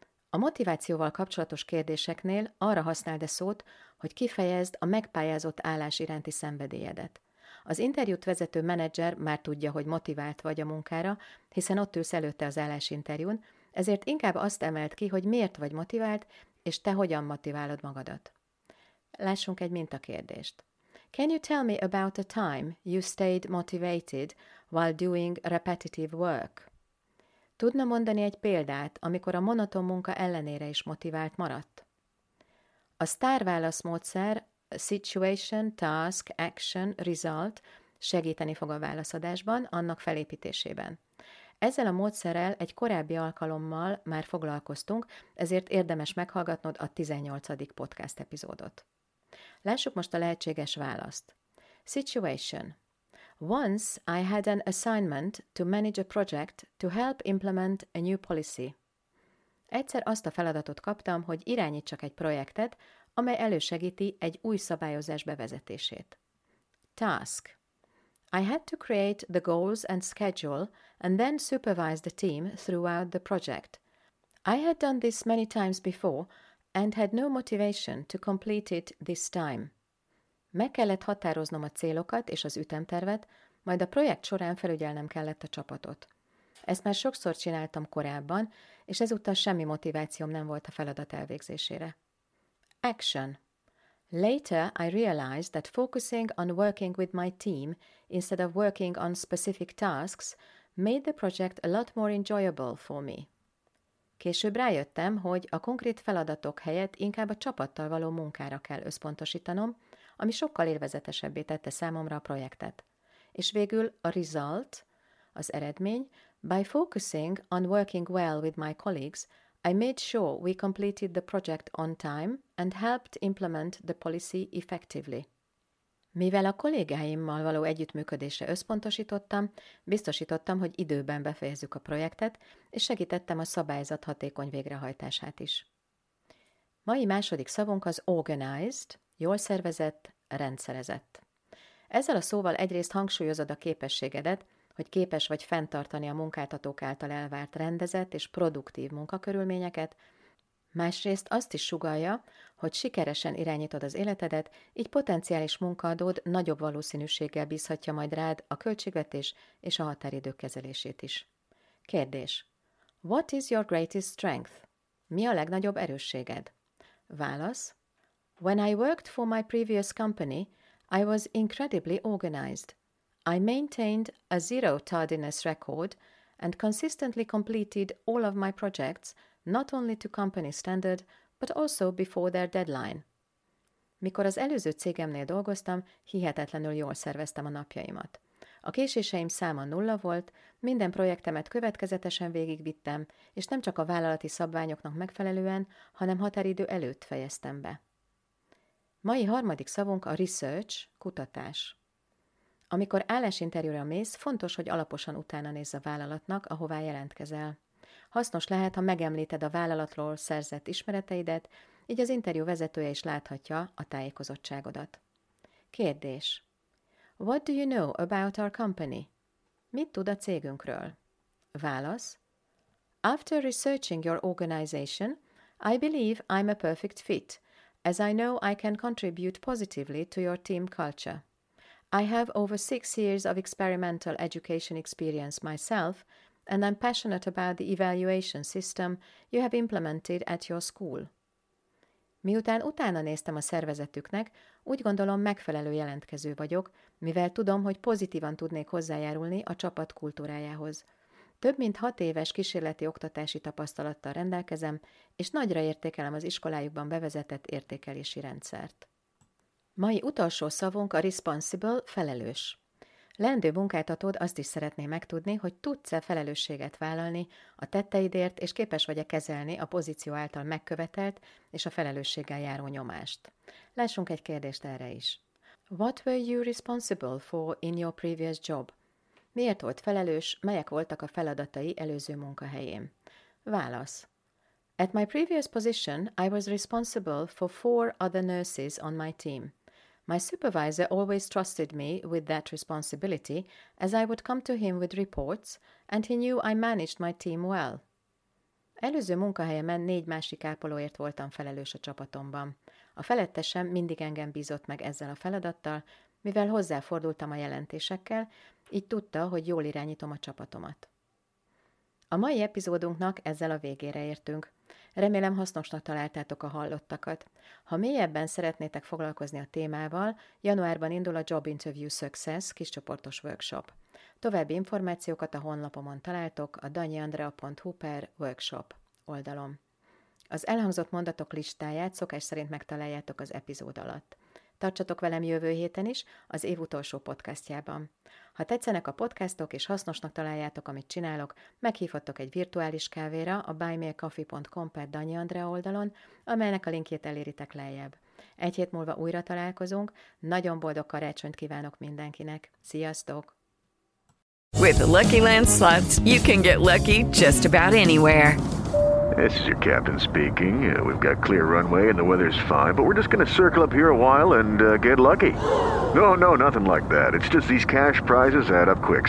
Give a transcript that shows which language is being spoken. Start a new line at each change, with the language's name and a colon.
Hungarian: A motivációval kapcsolatos kérdéseknél arra használd a szót, hogy kifejezd a megpályázott állás iránti szenvedélyedet. Az interjút vezető menedzser már tudja, hogy motivált vagy a munkára, hiszen ott ülsz előtte az állásinterjún, ezért inkább azt emeld ki, hogy miért vagy motivált, és te hogyan motiválod magadat. Lássunk egy mintakérdést.
English: Can you tell me about a time you stayed motivated while doing repetitive work?
Hungarian: Tudna mondani egy példát, amikor a monoton munka ellenére is motivált maradt? A sztárválasz módszer Situation, Task, Action, Result segíteni fog a válaszadásban, annak felépítésében. Ezzel a módszerrel egy korábbi alkalommal már foglalkoztunk, ezért érdemes meghallgatnod a 18. podcast epizódot. Lássuk most a lehetséges választ. Situation.
English: Once I had an assignment to manage a project to help implement a new policy.
Hungarian: Egyszer azt a feladatot kaptam, hogy irányítsak egy projektet, amely elősegíti egy új szabályozás bevezetését.
English: Task. I had to create the goals and schedule and then supervise the team throughout the project. I had done this many times before and had no motivation to complete it this time.
Hungarian: Meg kellett határoznom a célokat és az ütemtervet, majd a projekt során felügyelnem kellett a csapatot. Ezt már sokszor csináltam korábban, és ezúttal semmi motivációm nem volt a feladat elvégzésére.
English: Action. Later, I realized that focusing on working with my team instead of working on specific tasks made the project a lot more enjoyable for me.
Hungarian: Később rájöttem, hogy a konkrét feladatok helyett inkább a csapattal való munkára kell összpontosítanom, ami sokkal élvezetesebbé tette számomra a projektet. És végül a result, az eredmény,
English: by focusing on working well with my colleagues, I made sure we completed the project on time and helped implement the policy effectively.
Hungarian: Mivel a kollégáimmal való együttműködésre összpontosítottam, biztosítottam, hogy időben befejezzük a projektet, és segítettem a szabályzat hatékony végrehajtását is. Mai második szavunk az organized, jól szervezett, rendszerezett. Ezzel a szóval egyrészt hangsúlyozod a képességedet, hogy képes vagy fenntartani a munkáltatók által elvárt rendezett és produktív munkakörülményeket, másrészt azt is sugallja, hogy sikeresen irányítod az életedet, így potenciális munkaadód nagyobb valószínűséggel bízhatja majd rád a költségvetés és a határidők kezelését is. Kérdés.
English: What is your greatest strength?
Hungarian: Mi a legnagyobb erősséged? Válasz.
English: When I worked for my previous company, I was incredibly organized. I maintained a zero tardiness record and consistently completed all of my projects, not only to company standard, but also before their deadline.
Hungarian: Mikor az előző cégemnél dolgoztam, hihetetlenül jól szerveztem a napjaimat. A késéseim száma nulla volt, minden projektemet következetesen végigvittem, és nem csak a vállalati szabványoknak megfelelően, hanem határidő előtt fejeztem be. Mai harmadik szavunk a research, kutatás. Amikor állásinterjúra mész, fontos, hogy alaposan utána nézz a vállalatnak, ahová jelentkezel. Hasznos lehet, ha megemlíted a vállalatról szerzett ismereteidet, így az interjú vezetője is láthatja a tájékozottságodat. Kérdés.
English: What do you know about our company?
Hungarian: Mit tud a cégünkről? Válasz.
English: After researching your organization, I believe I'm a perfect fit, as I know I can contribute positively to your team culture. I have over 6 years of experimental education experience myself, and I'm passionate about the evaluation system you have implemented at your school.
Hungarian: Miután utána néztem a szervezetüknek, úgy gondolom megfelelő jelentkező vagyok, mivel tudom, hogy pozitívan tudnék hozzájárulni a csapat kultúrájához. Több mint 6 éves kísérleti oktatási tapasztalattal rendelkezem, és nagyra értékelem az iskolájukban bevezetett értékelési rendszert. Mai utolsó szavunk a responsible, felelős. Leendő munkáltatód azt is szeretné megtudni, hogy tudsz-e felelősséget vállalni a tetteidért, és képes vagy-e kezelni a pozíció által megkövetelt és a felelősséggel járó nyomást. Lássunk egy kérdést erre is.
English: What were you responsible for in your previous job?
Hungarian: Miért volt felelős, melyek voltak a feladatai előző munkahelyén? Válasz.
English: At my previous position, I was responsible for 4 other nurses on my team. My supervisor always trusted me with that responsibility, as I would come to him with reports, and he knew I managed my team well.
Hungarian: Előző munkahelyemen 4 másik ápolóért voltam felelős a csapatomban. A felettesem mindig engem bízott meg ezzel a feladattal, mivel hozzáfordultam a jelentésekkel, így tudta, hogy jól irányítom a csapatomat. A mai epizódunknak ezzel a végére értünk. Remélem hasznosnak találtátok a hallottakat. Ha mélyebben szeretnétek foglalkozni a témával, januárban indul a Job Interview Success kis csoportos workshop. További információkat a honlapomon találtok a daniandrea.hu/workshop oldalon. Az elhangzott mondatok listáját szokás szerint megtaláljátok az epizód alatt. Tartsatok velem jövő héten is, az év utolsó podcastjában. Ha tetszenek a podcastok és hasznosnak találjátok, amit csinálok, meghívhattok egy virtuális kávéra a buymeacoffee.com/Dani Andrea oldalon, amelynek a linkjét eléritek lejjebb. Egy hét múlva újra találkozunk, nagyon boldog karácsonyt kívánok mindenkinek. Sziasztok!
English: With Lucky Land Slots, you can get lucky just about anywhere. This is your captain speaking. We've got clear runway and the weather's fine, but we're just going to circle up here a while and get lucky. No, no, nothing like that. It's just these cash prizes add up quick.